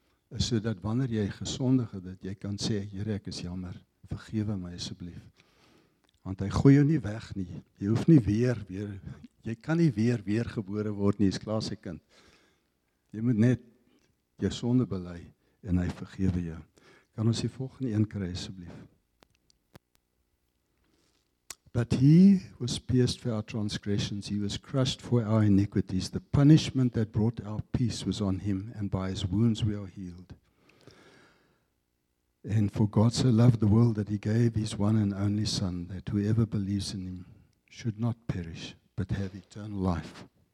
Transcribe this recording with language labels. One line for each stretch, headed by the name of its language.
Afrikaans: Is sodat wanneer jy gesondig het, dat jy kan sê, Here, ek is jammer, vergewe my asseblief. Want hy gooi jou nie weg nie. Jy hoef nie weer, jy kan nie weer gebore word nie, is klaar sy kind. Jy moet net jou sonde bely en hy vergewe jou. Kan ons die volgende een kry asseblief?
English: But he was pierced for our transgressions, he was crushed for our iniquities. The punishment that brought our peace was on him and by his wounds we are healed. And for God so loved the world that he gave his one and only son, that whoever believes in him should not perish, but have eternal life.